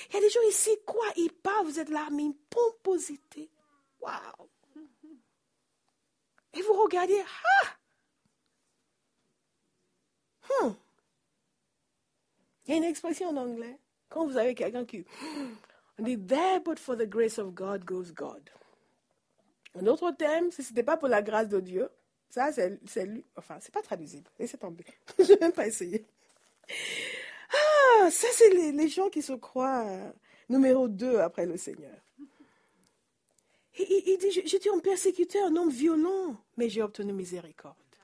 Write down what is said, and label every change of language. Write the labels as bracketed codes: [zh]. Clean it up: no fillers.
[fr] Il y a des gens ici, quoi, ils parlent, vous êtes là, mais une pomposité. Wow. Et vous regardez, ah! Il y a une expression en anglais. Quand vous avez quelqu'un qui... On dit, [en] there but for the grace of God goes God. [fr] Un autre thème, si ce n'était pas pour la grâce de Dieu, ça c'est lui. Enfin, ce n'est pas traduisible. Laissez tomber. Je ne vais même pas essayer. Ah, ça c'est les gens qui se croient numéro 2 après le Seigneur. Il dit, j'étais un persécuteur, un homme violent, mais j'ai obtenu miséricorde.